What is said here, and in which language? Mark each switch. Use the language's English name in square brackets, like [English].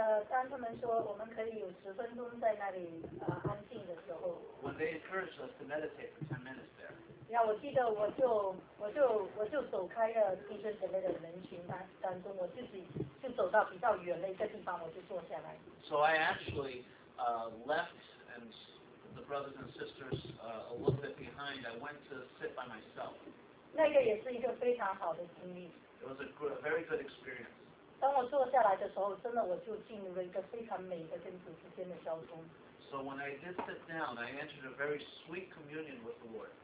[Chinese] 当他们说我们可以有十分钟在那里安静的时候。 [English] When they encouraged us to meditate for 10 minutes there. [Chinese] 呀，我记得我就走开了弟兄姐妹的人群当中，我自己就走到比较远的一个地方，我就坐下来。 [English] So I actually left and the brothers and sisters a little bit behind, I went to sit by myself. It was a very good experience. So when I did sit down, I entered a very sweet communion with the Lord.